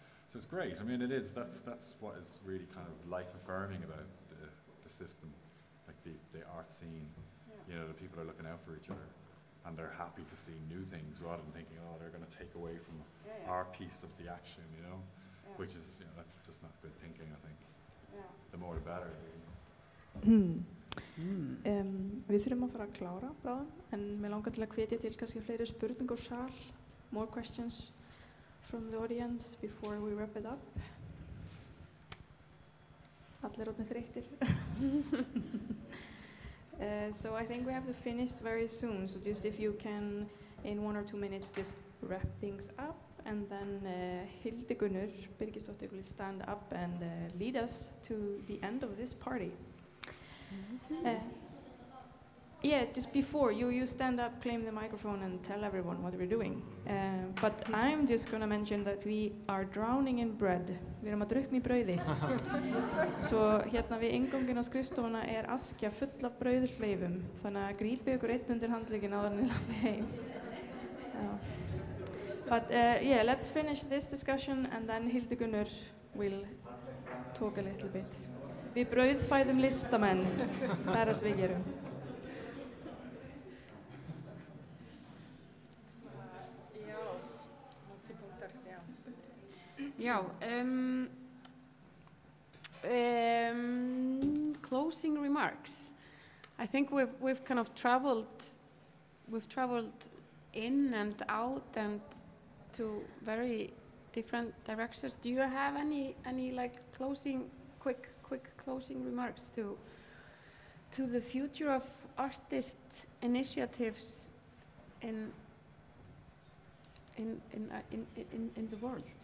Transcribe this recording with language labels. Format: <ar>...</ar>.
<en>So it's great. I mean, it is. That's what is really kind of life-affirming about the system, like the art scene. Yeah. You know, the people are looking out for each other, and they're happy to see new things rather than thinking, oh, they're going to take away from our piece of the action, you know? Yeah. Which is, you know, that's just not good thinking, I think. Yeah. The more the better.</en> <is>Við þurfum að fara að klára bráðum, en mér langar til að hvetja til kannski fleiri spurning og sal.</is> <en>More questions from the audience before we wrap it up.</en> <is>Allir orðnir þreyttir.</is> <en>So I think we have to finish very soon, so just if you can, in one or two minutes, just wrap things up, and then Hildigunnur Birgisdóttir will stand up and lead us to the end of this party. Just before you stand up, claim the microphone and tell everyone what we're doing. But I'm just going to mention that we are drowning in bread.</en> <is>Við erum að drukna í brauði. Svo hérna við inngöngin á skrifstofuna askja full af brauðhleifum. Þannig að grípi ykkur einn undir handlegin áður en lappi heim.</is> <en>But let's finish this discussion and then Hildigunnur will talk a little bit.</en> <is>Við brauðfæðum listamenn, það það sem við gerum.</is> <en>Closing remarks. I think we've kind of traveled in and out and to very different directions. Do you have any like closing quick closing remarks to the future of artist initiatives in the world?</en>